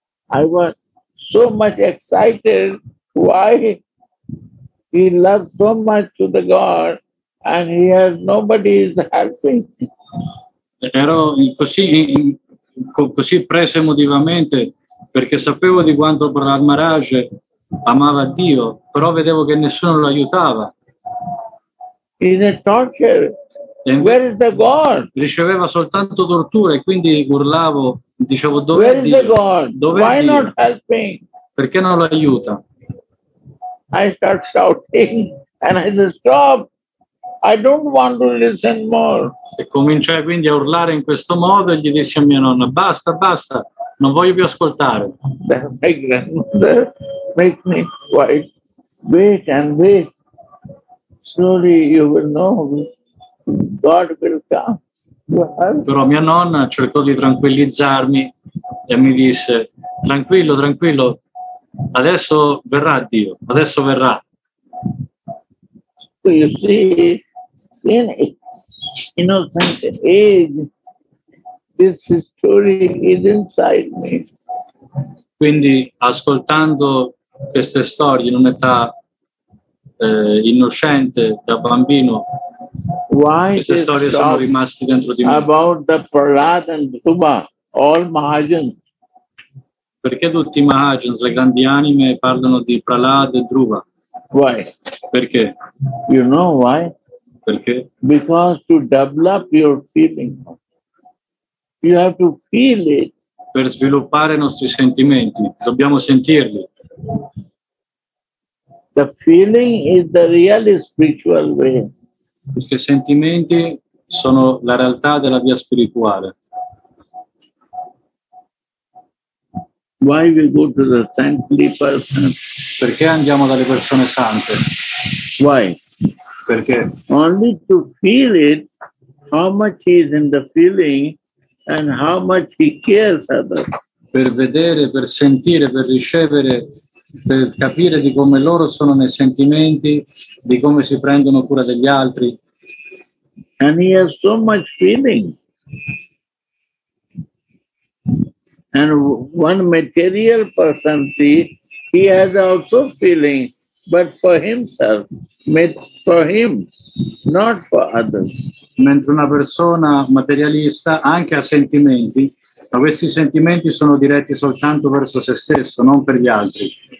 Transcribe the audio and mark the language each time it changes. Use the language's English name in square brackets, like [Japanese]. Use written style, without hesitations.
[English] I was so much excited why he loves so much to the God and he has nobody is helping. [Italian] Ero così, così preso emotivamente perché sapevo di quanto Prahlad Maharaj amava Dio, però vedevo che nessuno lo aiutava. [English] In a torture. And where is the God? [Italian] Riceveva soltanto torture e quindi urlavo, dicevo dove [English] where [Italian] è [English] is [Italian] Dio? [English] The God? [Italian] Dov'è [English] why [Italian] Dio? [English] Not helping? [Italian] Perché non lo aiuta? [English] I start shouting and I say stop. I don't want to listen more. [Italian] E cominciai quindi a urlare in questo modo e gli dissi a mia nonna basta, basta, non voglio più ascoltare. [English] My grandmother make me quiet. Wait and wait. Slowly you will know God will come. [Italian] Però mia nonna cercò di tranquillizzarmi e mi disse tranquillo, tranquillo, adesso verrà Dio, adesso verrà. [English] You see, in innocent age, this story is inside me. [Italian] Quindi ascoltando queste storie in un'età innocente da bambino, [English] why [Italian] queste storie sono rimaste dentro di me. [English] About the Prahlad and Dhruva, all Mahajans. [Italian] Perché tutti i Mahajans, le grandi anime, parlano di Prahlad e Dhruva? [English] Why? [Italian] Perché? [English] You know why? [Italian] Perché? [English] Because to develop your feeling, you have to feel it. [Italian] Per sviluppare i nostri sentimenti, dobbiamo sentirli. [English] The feeling is the real spiritual way. [Italian] Perché i sentimenti sono la realtà della via spirituale. [English] Why we go to the saintly person? [Italian] Perché andiamo dalle persone sante? [English] Why? [Italian] Perché? [English] Only to feel it, how much he is in the feeling and how much he cares about. [Italian] Per vedere, per sentire, per ricevere, per capire di come loro sono nei sentimenti, di come si prendono cura degli altri. [English] And he has so much feeling. And one material person, see, he has also feeling, but for himself, made for him, not for others. [Italian] Mentre una persona materialista anche ha sentimenti, ma questi sentimenti sono diretti soltanto verso se stesso, non per gli altri.